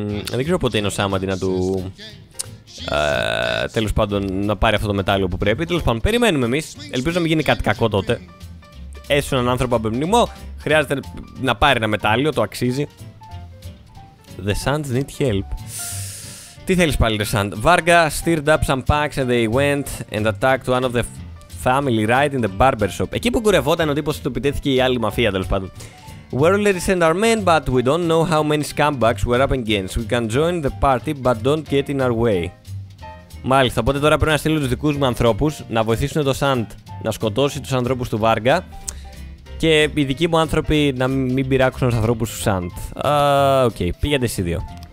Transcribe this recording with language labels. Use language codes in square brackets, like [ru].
[el] Δεν ξέρω πότε είναι ο Σάμαντι να του... τέλος πάντων, να πάρει αυτό το μετάλλιο που πρέπει. Τέλος πάντων, περιμένουμε εμείς. Ελπίζω να μην γίνει κάτι κακό τότε. Έστω έναν άνθρωπο απεμνημό, χρειάζεται να πάρει ένα μετάλλιο, το αξίζει. [en] The Sands need help. [el] Τι θέλεις πάλι, The Sand? [en] Varga stirred up some packs and they went and attacked one of the family right in the barbershop. [el] Εκεί που κουρευόταν ο τύπος του επιτέθηκε η άλλη μαφία, τέλος πάντων. [en] We're already sent our men, but we don't know how many scumbags we're up against. We can join the party, but don't get in our way. [el] Μάλιστα, οπότε τώρα πρέπει να στείλω τους δικούς μου ανθρώπους να βοηθήσουν το Sand να σκοτώσει τους ανθρώπους του Varga. Και οι δικοί μου άνθρωποι να μην πειράξουν τους ανθρώπους του Σαντ. Okay, πήγαινε εσύ δύο.